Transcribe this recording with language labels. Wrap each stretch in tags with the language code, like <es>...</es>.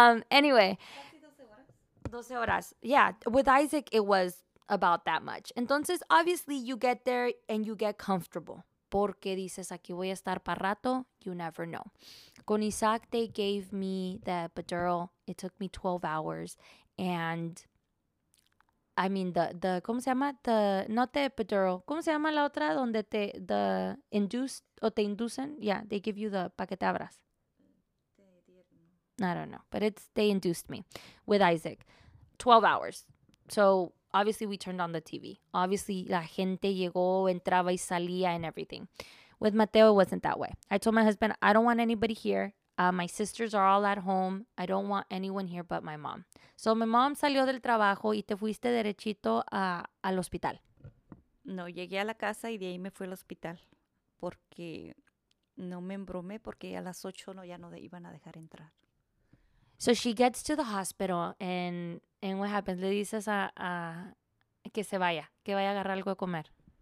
<en>Anyway.</en> <es>12 horas.</es> <en>Yeah, with Isaac, it was about that much. Entonces, obviously, you get there and you get comfortable.</en> <es>Porque dices, aquí voy a estar para rato.</es> <en>You never know.</en> <es>Con Isaac,</es> <en>they gave me the epidural. It took me 12 hours. And, I mean, the</en> <es>¿cómo se llama?</es> <en>The, not the epidural.</en> <es>¿Cómo se llama la otra? Donde te,</es> <en>the induced,</en> <es>o te inducen?</es> <en>Yeah, they give you the paquetabras. I don't know. But it's, they induced me with Isaac. 12 hours. So, obviously, we turned on the TV. Obviously,</en> <es>la gente llegó, entraba y salía</es> <en>and everything. With Mateo, it wasn't that way. I told my husband, I don't want anybody here. My sisters are all at home. I don't want anyone here but my mom. So, my mom</en> <es>salió del trabajo y te fuiste derechito al hospital. No, llegué a la casa y de ahí me fui al hospital. Porque no me embromé porque a las 8 no, ya no iban a dejar entrar.</es> <en>So she gets to the hospital and what happens?</en> <es>Le dices a que vaya a agarrar algo de comer.</es>